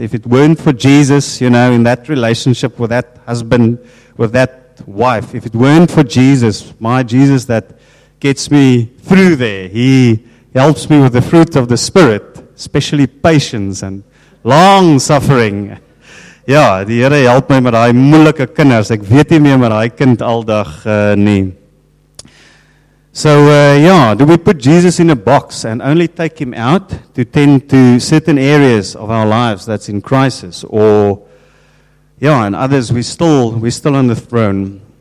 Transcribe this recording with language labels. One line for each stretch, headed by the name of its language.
English: If it weren't for Jesus, you know, in that relationship with that husband, with that wife, if it weren't for Jesus, my Jesus that gets me through there. He helps me with the fruit of the Spirit, especially patience and long suffering.
Afrikaans: Ja, die Here help my met daai moeilike kinders. Ek weet nie meer met daai kind aldag nie.
English: So do we put Jesus in a box and only take him out to tend to certain areas of our lives that's in crisis, or and others we're still on the throne.